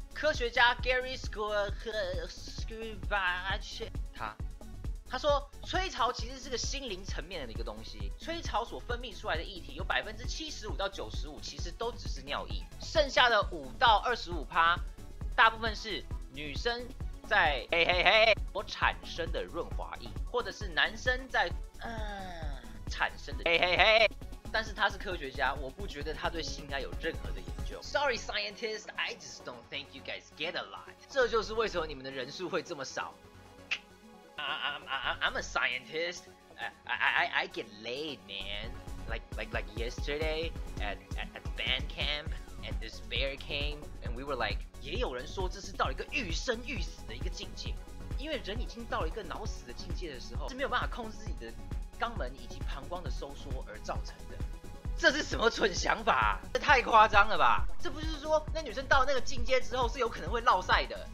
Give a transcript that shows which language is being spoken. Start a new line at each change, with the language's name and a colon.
Chinese: 科学家 Gary Scribach 他说吹潮其实是个心灵层面的一个东西，吹潮所分泌出来的液体有 75% 到 95% 其实都只是尿液，剩下的5到 25% 大部分是女生在嘿嘿嘿所产生的润滑液，或者是男生在产生的嘿嘿嘿。但是他是科学家，我不觉得他对性该有任何的研究。
English: Sorry scientist, I just don't think you guys get a lot。
Chinese: 这就是为什么你们的人数会这么少。
English: I'm a scientist, I get laid man, like yesterday at band camp, and this bear came and we were like。
Chinese: 也有人说这是到一个欲生欲死的一个境界，因为人已经到了一个脑死的境界的时候，是没有办法控制自己的肛门以及膀胱的收缩而造成的。这是什么蠢想法？这太夸张了吧！这不就是说那女生到那个境界之后是有可能会落赛的？